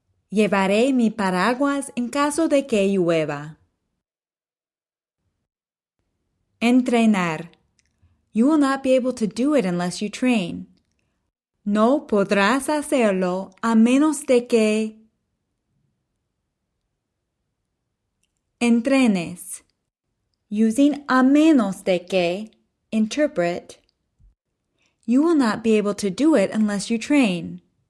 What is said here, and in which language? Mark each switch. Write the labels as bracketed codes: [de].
[es] Llevaré mi paraguas en caso de que llueva. Entrenar. [en] You will not be able to do it unless you train. [es] No podrás hacerlo a menos de que entrenes. [en] Using [es] a menos de que, [en] interpret, you will not be able to do it unless you train.